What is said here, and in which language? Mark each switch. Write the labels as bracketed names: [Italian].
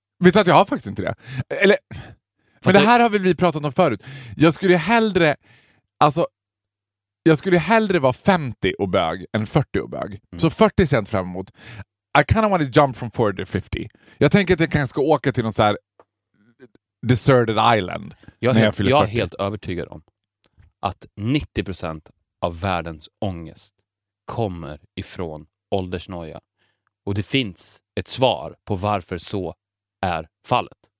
[Swedish] Vet du att jag har faktiskt inte det? Eller... Men det här har väl vi pratat om förut. Jag skulle hellre... Alltså... Jag skulle hellre vara 50 och bög än 40 och bög. Mm. Så 40 cent framåt. [English] I kind of want to jump from 40 to 50. [Swedish] Jag tänker att jag kanske ska åka till någon så här... [English] Deserted Island. [Swedish] Jag är helt övertygad om att 90% av världens ångest kommer ifrån åldersnoja. Och det finns ett svar på varför så är fallet.